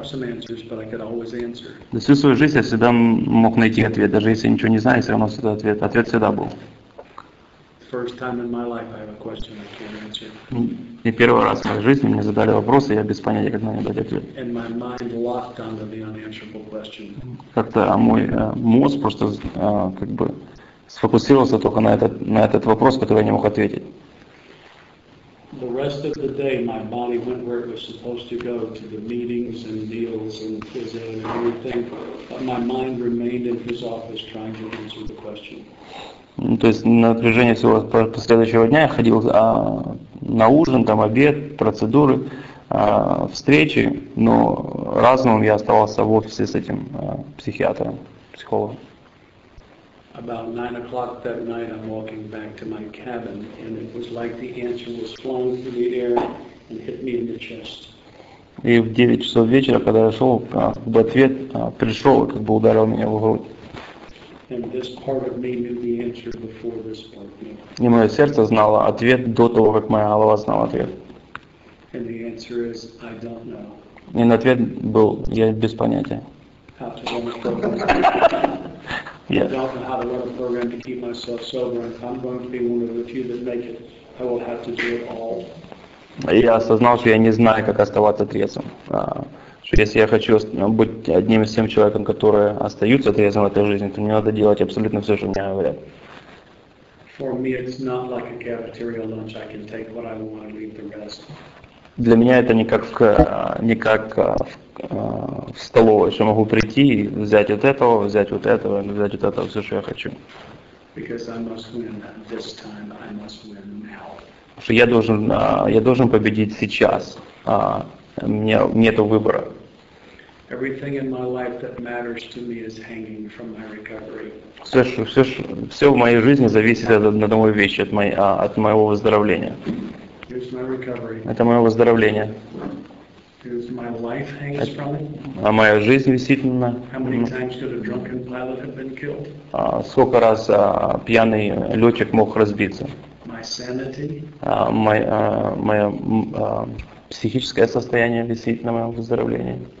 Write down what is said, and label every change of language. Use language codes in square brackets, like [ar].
[ru] всю свою жизнь я всегда мог найти ответ, даже если я ничего не знаю, все равно всегда ответ. Ответ всегда был. [en] First time in my life I have a question I can't answer. [ru] И первый раз в моей жизни мне задали вопрос, и я без понятия, как на него дать ответ. [en] And my mind locked onto the unanswerable question. [ru] Как-то мой мозг просто как бы сфокусировался только на этот вопрос, который я не мог ответить. [en] The rest of the day my body went where it was supposed to go, to the meetings and deals and phys ed and everything, but my mind remained in his office trying to answer the question. [ru] То есть на протяжении всего последующего дня я ходил на ужин, там обед, процедуры, встречи, но разумом я оставался в офисе с этим психиатром, психологом. [en] About 9 o'clock that night I'm walking back to my cabin and it was like the answer was flung through the air and hit me in the chest. [ru] И в 9 часов вечера, когда я шел, в ответ пришел и как бы ударил меня в грудь. [en] And this part of me knew the answer before this part knew. [ru] И мое сердце знало ответ до того, как моя голова знала ответ. [en] And the answer is, I don't know. [ru] И ответ был, я без понятия. [en] How to run a program. Yes. I don't know how to run a program to keep myself sober. I'm going to be one of the few that make it I will have to do it all. [ru] И я осознал, что я не знаю, как оставаться трезвым. Что если я хочу быть одним из тем человеком, которые остаются трезвым в этой жизни, то мне надо делать абсолютно все, что мне говорят. [en] For me, it's not like a cafeteria lunch. I can take what I want and leave the rest. [ru] Для меня это не как в столовой, что могу прийти и взять вот этого, взять вот этого, взять вот этого, все, что я хочу. [en] Because I must win this time, I must win now. [ru] Что я должен победить сейчас. Нету выбора. [en] Everything in my life that matters to me is hanging from my recovery. [ru] Все в моей жизни зависит от одной вещи, от моего выздоровления. [en] Here's my recovery. [ru] Это мое выздоровление. [en] Here's my life hangs from it. [ru] А моя жизнь висит на. [en] How many times could a drunken pilot have been killed? [ru] Сколько раз пьяный летчик мог разбиться? [en] My sanity. [ru] Психическое состояние висит на моем выздоровлении.